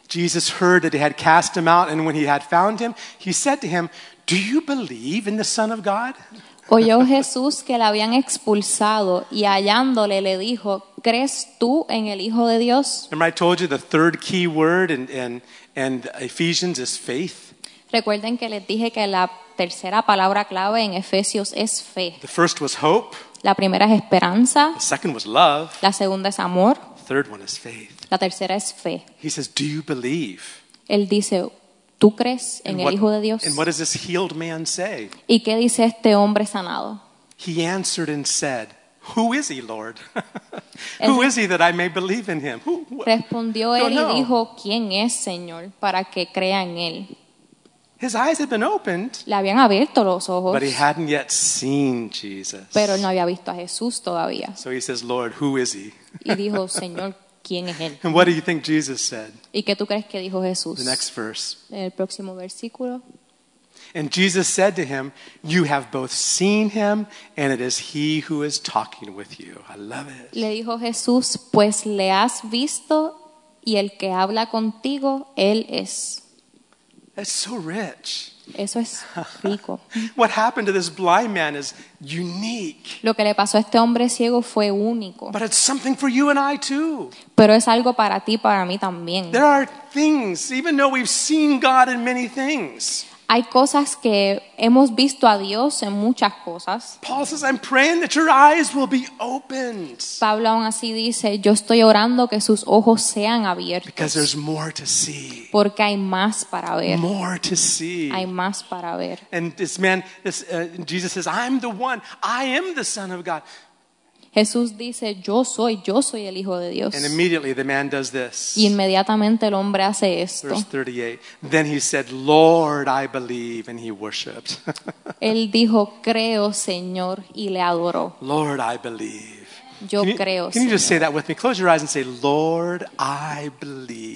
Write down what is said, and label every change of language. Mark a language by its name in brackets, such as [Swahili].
[English] Jesus heard that he had cast him out, and when he had found him, he said to him, "Do you believe in the Son of God?" [Spanish] Oyó Jesús que la habían expulsado y hallándole le dijo, "¿Crees tú en el Hijo de Dios?" [English] Remember I told you the third key word in Ephesians is faith. [Spanish] Recuerden que les dije que la tercera palabra clave en Efesios es fe. [English] The first was hope. [Spanish] La primera es esperanza. [English] The second was love. [Spanish] La segunda es amor. [English] The third one is faith. [Spanish] La tercera es fe. [English] He says, "Do you believe?" [Spanish] Él dice, ¿tú crees en el Hijo de Dios? [English] And what does this healed man say? [Spanish] ¿Y qué dice este hombre sanado? [English] He answered and said, "Who is he, Lord? Who is he that I may believe in him?" [Spanish] Respondió él y dijo, "¿Quién es, Señor, para que crea en él?" [English] His eyes had been opened. [Spanish] Le habían abierto los ojos. [English] But he hadn't yet seen Jesus. [Spanish] Pero él no había visto a Jesús todavía. [English] So he says, "Lord, who is he?" [Spanish] Y dijo, "Señor, ¿quién es él?" [English] And what do you think Jesus said? [Spanish] ¿Y qué tú crees que dijo Jesús? [English] The next verse. [Spanish] El próximo versículo. [English] And Jesus said to him, "You have both seen him, and it is he who is talking with you." I love it. [Spanish] Le dijo Jesús, "Pues le has visto, y el que habla contigo, él es." [English] That's so rich. [Spanish] Eso es rico. [English] What happened to this blind man is unique. [Spanish] Lo que le pasó a este hombre ciego fue único. [English] But it's something for you and I too. [Spanish] Pero es algo para ti, para mí también. [English] There are things, even though we've seen God in many things. [Spanish] Hay cosas que hemos visto a Dios en muchas cosas. [English] Paul says, "I'm praying that your eyes will be opened." [Spanish] Pablo aún así dice, yo estoy orando que sus ojos sean abiertos. [English] Because there's more to see. [Spanish] Porque hay más para ver. [English] More to see. [Spanish] Hay más para ver. [English] And this man, Jesus says, "I'm the one. I am the Son of God." [Spanish] Jesús dice, yo soy el Hijo de Dios. [English] And immediately the man does this. [Spanish] Y inmediatamente el hombre hace esto. [English] Verse 38, then he said, "Lord, I believe," and he worshiped. [Spanish] Él dijo, creo, Señor, y le adoró. [English] Lord, I believe. [Spanish] Yo [English] can you, [Spanish] creo, [English] can you just say that with me? Close your eyes and say, "Lord, I believe."